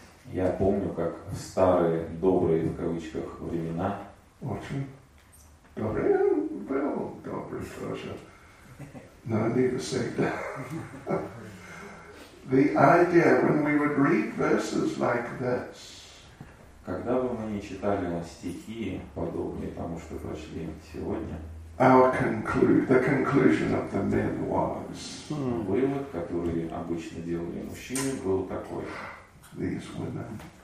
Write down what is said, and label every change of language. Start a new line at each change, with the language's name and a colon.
Russian: Я помню, как в старые добрые в кавычках времена. Очень добрые, well, добрые тоже.
English: No need to say that. The idea when we would read verses like this.
Russian: Когда бы мы не читали стихи, подобные тому, что прочли сегодня, вывод, который обычно делали мужчины, был такой.
English: These women.